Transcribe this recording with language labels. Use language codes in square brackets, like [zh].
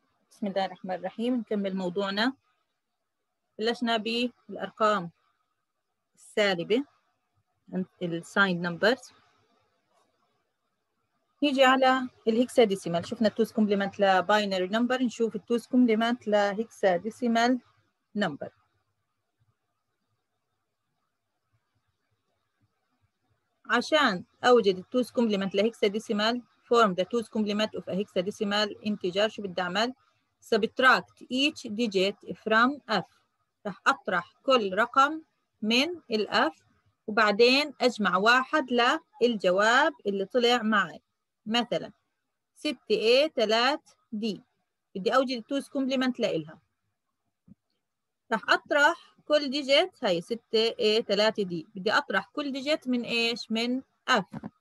[ar] بسم الله الرحمن الرحيم، نكمل موضوعنا. بلشنا بالأرقام السالبة الساين نمبرز. نيجي على الهكساديسيمال. شفنا التوز كومبليمنت لباينري نمبر، نشوف التوز كومبليمنت لهكساديسيمال نمبر. عشان أوجد التوز كومبليمنت لهكساديسيمال، [en] form the two's complement of a hexadecimal integer. [ar] شو بدي أعمل؟ [en] Subtract each digit from F. [ar] رح أطرح كل رقم من ال F وبعدين أجمع واحد للجواب اللي طلع معي. مثلا 6A 3D، بدي أوجد two's complement لإلها. رح أطرح كل digit، هاي 6A 3D، بدي أطرح كل digit من إيش؟ من F.